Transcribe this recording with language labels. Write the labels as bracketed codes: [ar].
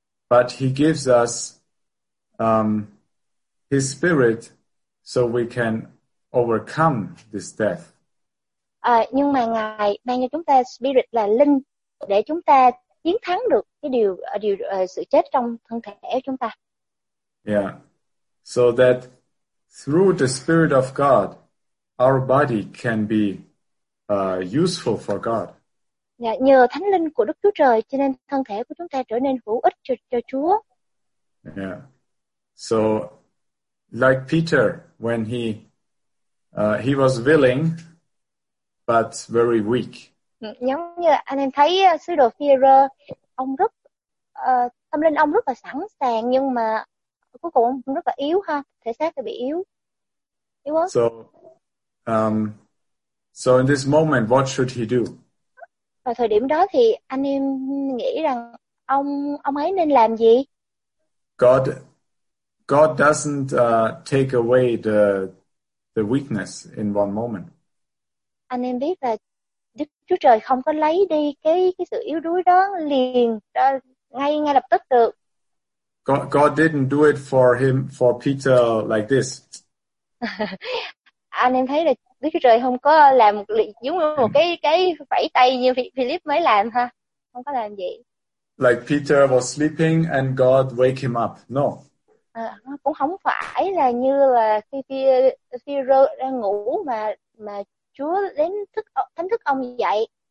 [en] But He gives us His Spirit so we can overcome this death. [vi] Nhưng mà Ngài ban cho chúng ta Spirit là linh để chúng ta chiến thắng được cái điều sự chết trong thân thể của chúng ta. Yeah. [en] So that through the Spirit of God, our body can be useful for God. [vi] Yeah, nhờ Thánh Linh của Đức Chúa Trời cho nên thân thể của chúng ta trở nên hữu ích cho Chúa. Yeah. [en] So like Peter when he was willing but very weak. [vi] Giống như anh em thấy sứ đồ Phi-rơ, ông rất tâm linh ông rất là sẵn sàng nhưng mà cuối cùng ông rất là yếu ha, thể xác thì bị yếu quá. [en] So so in this moment what should he do? [vi] Và thời điểm đó thì anh em nghĩ rằng ông ấy nên làm gì? [en] God doesn't take away the weakness in one moment. [vi] Anh em biết là Đức Chúa Trời không có lấy đi cái sự yếu đuối đó liền đó, ngay lập tức được. [en] God didn't do it for Peter like this. [vi] Anh em thấy là Đức Chúa Trời không có làm giống như một cái vẫy tay như Philip mới làm ha, không có làm vậy. [en] Like Peter was sleeping and God wake him up. No. [vi] Cũng không phải là như là khi Peter đang ngủ mà Chúa đến thức ông dậy.